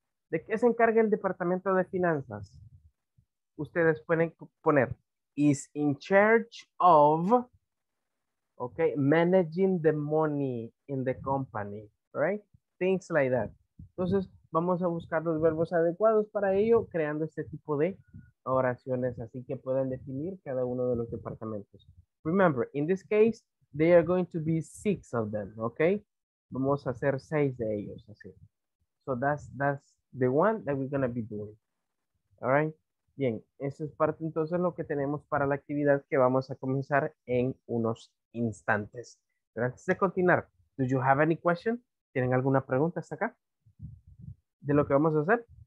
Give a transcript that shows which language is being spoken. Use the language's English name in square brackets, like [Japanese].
[Spanish] ¿De qué se encarga el departamento de finanzas? Ustedes pueden poner, [English] is in charge of, [Spanish] ¿ok? [English] Managing the money in the company, ¿right? Things like that. [Spanish] Entonces, vamos a buscar los verbos adecuados para ello, creando este tipo de oraciones, así que pueden definir cada uno de los departamentos. [English] Remember, in this case, they are going to be six of them, okay? [Spanish] Vamos a hacer seis de ellos, así. [English] So that's the one that we're gonna be doing, all right? [Spanish] Bien, eso es parte entonces lo que tenemos para la actividad que vamos a comenzar en unos instantes. Pero antes de continuar, [English] do you have any question? [Spanish] ¿Tienen alguna pregunta hasta acá? De lo que vamos a hacer.